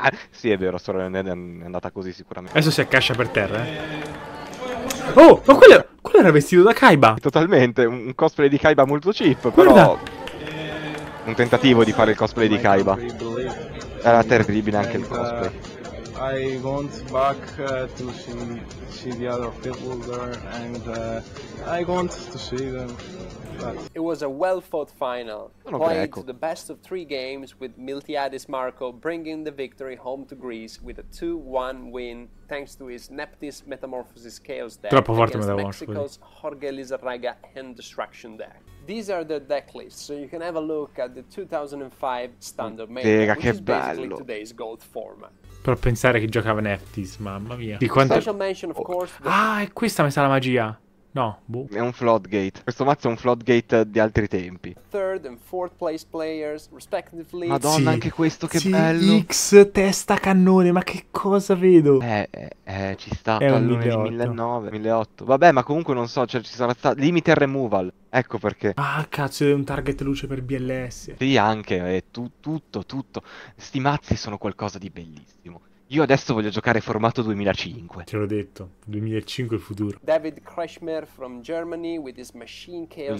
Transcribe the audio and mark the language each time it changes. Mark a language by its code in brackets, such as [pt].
[it] Sì, è vero, solo è andata così sicuramente. Adesso si accascia per terra, eh? Oh, ma quello era vestito da Kaiba! Totalmente, un cosplay di Kaiba molto cheap, guarda. Però... un tentativo di fare il cosplay di Kaiba. Era terribile anche il cosplay. [en] I went back to see the other people there, and I want to see them. It was a well-fought final. Played the best of three games with Miltiadis Marco bringing the victory home to Greece with a 2-1 win thanks to his Neptis Metamorphosis Chaos deck. [it] Troppo forte [en] Mexico's Jorge Lizarraga Hand Destruction deck. These are the deck lists, so you can have a look at the 2005 standard main, which [it] che [en] is basically today's gold format. [it] Però pensare che giocava Neptis, mamma mia. Di quanto... [en] Special mention, of course, the... [it] Ah, è questa messa la magia. No, boh. È un floodgate. Questo mazzo è un floodgate di altri tempi. [en] Third and fourth place players, respectively. [it] Madonna, sì. Anche questo, che sì, bello. X testa cannone, ma che cosa vedo? Ci sta. È un 1008. Vabbè, ma comunque non so, cioè ci sarà stato... Limit removal. Ecco perché. Ah, cazzo, è un target luce per BLS. Sì, anche, tutto. Sti mazzi sono qualcosa di bellissimo. Io adesso voglio giocare formato 2005. Te l'ho detto, 2005 è il futuro. [en] David Kreshmer from Germany with his Machine Chaos deck.